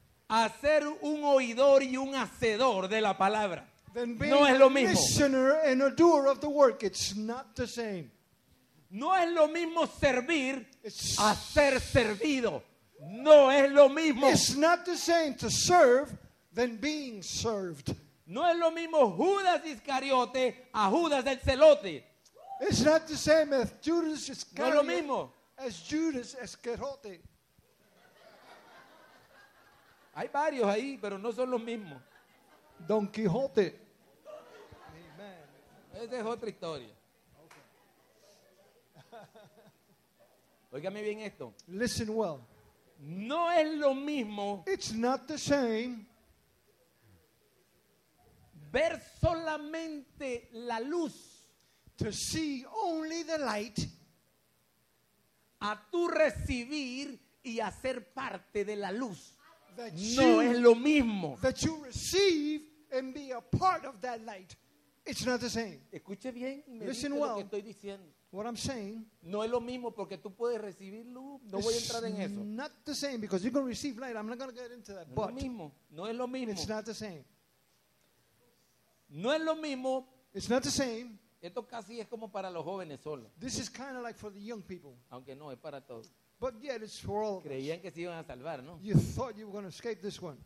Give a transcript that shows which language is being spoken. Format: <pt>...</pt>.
<es>a ser un oidor y un hacedor de la palabra,</es> <en>then</en> <es>no es lo mismo.</es> <en>A listener and a doer of the work, it's not the same.</en> <es>No es lo mismo servir a ser servido, no es lo mismo.</es> <en>It's not the same to serve than being served.</en> <es>No es lo mismo Judas Iscariote a Judas el Celote.</es> <en>It's not the same as Judas Iscariote.</en> <es>No es lo mismo.</es> <en>As Judas Iscariote.</en> <es>Hay varios ahí, pero no son los mismos. Don Quijote. Amen. Esa es otra historia. Óigame bien esto.</es> <en>Listen well.</en> <es>No es lo mismo.</es> <en>It's not the same.</en> <es>Ver solamente la luz.</es> <en>To see only the light.</en> <es>A tu recibir y hacer parte de la luz. No es lo mismo.</es> <en>That you receive and be a part of that light. It's not the same.</en> <es>Escuche bien.</es> <en>Listen well.</en> <es>Lo que estoy diciendo.</es> <en>What I'm saying.</en> <es>No es lo mismo porque tú puedes recibir luz. No voy a entrar en eso.</es> <en>It's not the same because you can receive light. I'm not going to get into that. But</en> <es>lo mismo. No es lo mismo.</es> <en>It's not the same.</en> <es>No es lo mismo.</es> <en>It's not the same.</en> <es>Esto casi es como para los jóvenes solo.</es> <en>This is kind of like for the young people.</en> <es>Aunque no, es para todos.</es> <en>But yet it's for all of us.</en> <es>Creían que se iban a salvar, ¿no?</es> <en>You thought you were going to escape this one.</en>